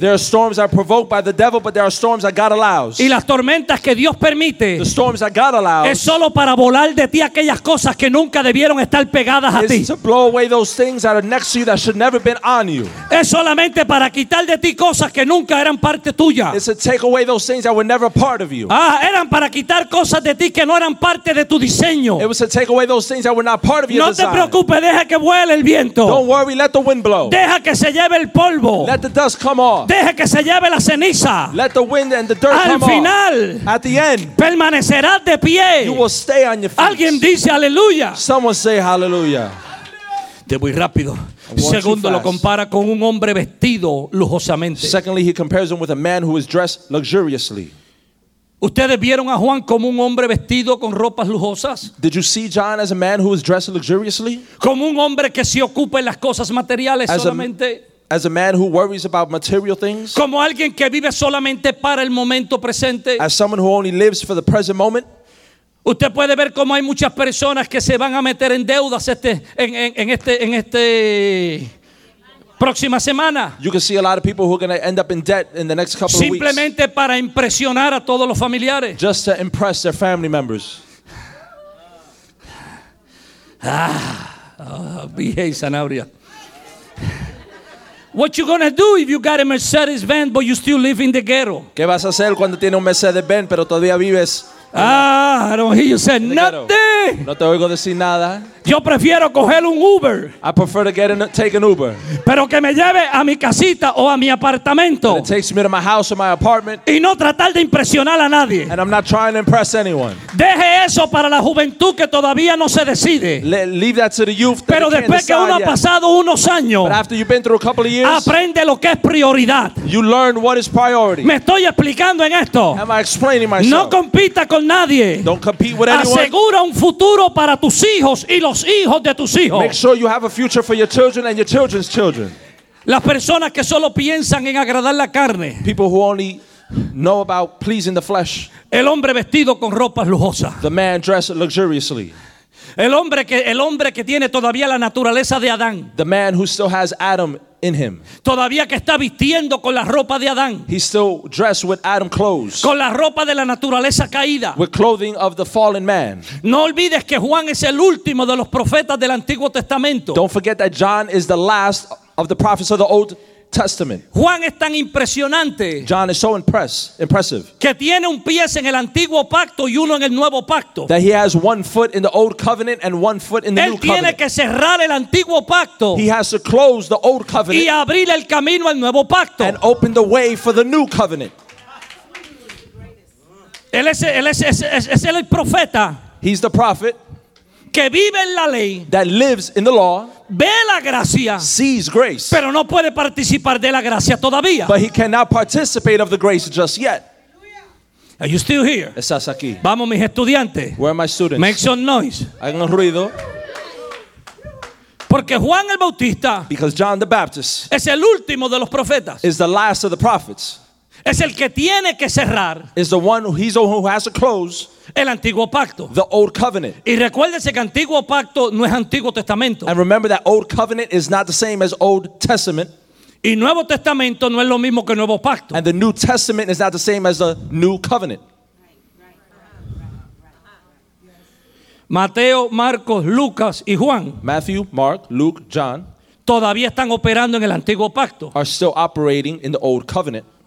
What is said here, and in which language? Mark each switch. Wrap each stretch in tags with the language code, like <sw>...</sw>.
<en>There are storms that are provoked by the devil, but there are storms that God allows.</en> <es>Y las tormentas que Dios permite.</es> <en>The storms that God allows.</en> <es>Es solo para volar de ti aquellas cosas que nunca debieron estar pegadas a ti.</es> <en>It's to blow away those things that are next to you that should never been on you.</en> <es>Es solamente para para quitar de ti cosas que nunca eran parte tuya.</es> <en>It's to take away those things that were never part of you.</en> <es>Ah, eran para quitar cosas de ti que no eran parte de tu diseño.</es> <en>It was to take away those things that were not part of your design.</en> <es>No te preocupes, deja que vuele el viento.</es> <en>Don't worry, let the wind blow.</en> <es>Deja que se lleve el polvo.</es> <en>Let the dust come off.</en> <es>Deja que se lleve la ceniza.</es> <en>Let the wind and the dirt come off.</en> <es>Al final,</es> <en>at the end,</en> <es>permanecerás de pie.</es> <en>You will stay on your feet.</en> <es>Alguien dice aleluya.</es> <en>Someone say hallelujah.</en> <es>Te voy rápido. Segundo, lo compara con un hombre vestido lujosamente.</es> <en>Secondly, he compares him with a man who is dressed luxuriously.</en> <es>¿Ustedes vieron a Juan como un hombre vestido con ropas lujosas?</es> <en>Did you see John as a man who is dressed luxuriously?</en> <es>Como un hombre que se ocupa en las cosas materiales solamente.</es> <en>As a man who worries about material things.</en> <es>Como alguien que vive solamente para el momento presente.</es> <en>As someone who only lives for the present moment.</en> <es>Usted puede ver cómo hay muchas personas que se van a meter en deudas en este próxima semana.</es> <en>You can see a lot of people who are going to end up in debt in the next couple of weeks.</en> <es>Simplemente para impresionar a todos los familiares.</es> <en>Just to impress their family members. Hey, Sanabria. What you gonna do if you got a Mercedes Benz but you still live in the ghetto?</en> <es>¿Qué vas a hacer cuando tienes un Mercedes Benz pero todavía vives?</es> <en>Ah, I don't hear you say nothing.</en> <es>No te oigo decir nada. Yo prefiero coger un Uber.</es> <en>I prefer to take an Uber.</en> <es>Pero que me lleve a mi casita o a mi apartamento.</es> <en>And it takes me to my house or my apartment.</en> <es>Y no tratar de impresionar a nadie.</es> <en>And I'm not trying to impress anyone.</en> <es>Deje eso para la juventud que todavía no se decide.</es> <en>Leave that to the youth.</en> <es>Pero después que uno ha pasado unos años.</es> <en>But after you've been through a couple of years.</en> <es>Aprende lo que es prioridad.</es> <en>You learn what is priority.</en> <es>Me estoy explicando en esto.</es> <en>Am I explaining myself?</en> <es>No compita con nadie.</es> <en>Don't compete with anyone.</en> <es>Asegura un futuro para tus hijos y los hijos de tus hijos.</es> <en>Make sure you have a future for your children and your children's children.</en> <es>Las personas que solo piensan en agradar la carne.</es> <en>People who only know about pleasing the flesh.</en> <es>El hombre vestido con ropas lujosas.</es> <en>The man dressed luxuriously.</en> <es>El hombre que tiene todavía la naturaleza de Adán.</es> <en>The man who still has Adam in him.</en> <es>Todavía que está vistiendo con la ropa de Adán.</es> <en>He's still dressed with Adam clothes.</en> <es>Con la ropa de la naturaleza caída.</es> <en>With clothing of the fallen man.</en> <es>No olvides que Juan es el último de los profetas del Antiguo Testamento.</es> <en>Don't forget that John is the last of the prophets of the Old Testament.</en> <es>Juan es tan impresionante.</es> <en>John is so impressive.</en> <es>Que tiene un pie en el Antiguo Pacto y uno en el Nuevo Pacto.</es> <en>That he has one foot in the Old Covenant and one foot in the</en> <es>Él</es> <en>New Covenant.</en> <es>Él tiene que cerrar el Antiguo Pacto.</es> <en>He has to close the Old Covenant.</en> <es>Y abrir el camino al Nuevo Pacto.</es> <en>And open the way for the New Covenant.</en> <es>Él es el profeta.</es> <en>He's the prophet.</en> <es>Que vive en la ley.</es> <en>That lives in the law.</en> <es>Ve la gracia.</es> <en>Sees grace.</en> <es>Pero no puede participar de la gracia todavía.</es> <en>But he cannot participate of the grace just yet. Are you still here?</en> <es>Estás aquí. Vamos, mis estudiantes.</es> <en>Where are my students? Make some noise.</en> <es>Hagan ruido. Porque Juan el Bautista.</es> <en>Because John the Baptist.</en> <es>Es el último de los profetas.</es> <en>Is the last of the prophets.</en> <es>Es el que tiene que cerrar.</es> <en>Is the one he's the one who has to close.</en> <es>El antiguo pacto.</es> <en>The old covenant.</en> <es>Y recuérdese que antiguo pacto no es Antiguo Testamento.</es> <en>And remember that old covenant is not the same as Old Testament.</en> <es>Y Nuevo Testamento no es lo mismo que Nuevo Pacto.</es> <en>And the New Testament is not the same as the New Covenant.</en> <es>Mateo, Marcos, Lucas y Juan.</es> <en>Matthew, Mark, Luke, John.</en> <es>Todavía están operando en el antiguo pacto.</es> <en>Are still operating in the old covenant.</en>